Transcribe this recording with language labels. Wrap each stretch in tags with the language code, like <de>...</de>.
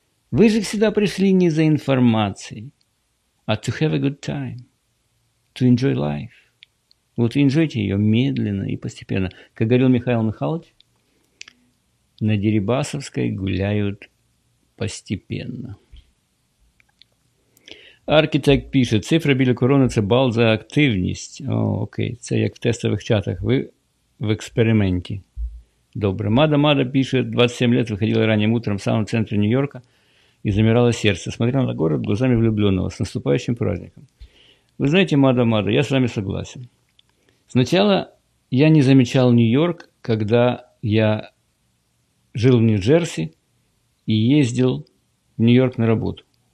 <ru>Вы же всегда пришли не за информацией, а</ru> <en>to have a good time, to enjoy life.</en> <ru>Вот и enjoyте ее медленно и постепенно. Как говорил Михаил Михайлович, на Дерибасовской гуляют постепенно.</ru> <uk>Архитект пишет, цифра біля корони – це бал за активність. О, окей, це як в тестових чатах, ви в експерименті. Добре.</uk> <ru>Мада-мада пишет, 27 лет виходила ранним утром в самом центре Нью-Йорка и замирало сердце. Смотрела на город глазами влюбленного, с наступающим праздником. Вы знаете, мада-мада, я с вами согласен. Сначала я не замечал Нью-Йорк, когда я жил в Нью-Джерси и ездил в Нью-Йорк на работу.</ru>